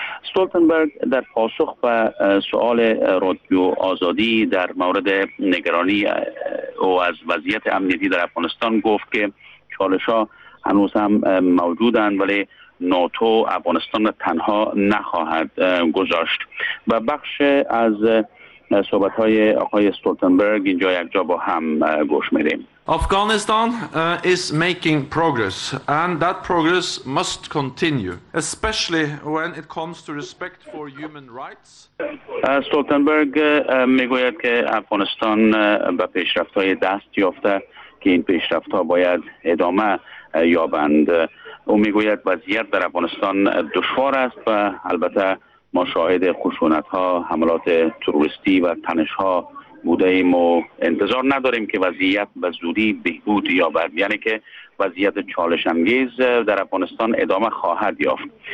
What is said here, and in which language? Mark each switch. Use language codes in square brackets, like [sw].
[fa] استولتنبرگ در پاسخ به سؤال رادیو آزادی در مورد نگرانی او از وضعیت امنیتی در افغانستان گفت که چالش‌ها هنوز هم موجودند، ولی ناتو افغانستان تنها نخواهد گذاشت. و بخش از صحبت های آقای استولتنبرگ اینجا یک جا با هم گوش میدیم. [en] Afghanistan is making progress and that progress must continue, especially when it comes to respect for human rights. [fa] استولتنبرگ میگوید که افغانستان به پیشرفت های دست یافته که این پیشرفت ها باید ادامه یابند. او میگوید وضعیت در افغانستان دشوار است و البته ما شاهد خشونت ها، حملات تروریستی و تنش ها بوده ایم و انتظار نداریم که وضعیت به زودی بهبود یابد، یعنی که وضعیت چالش انگیز در افغانستان ادامه خواهد یافت.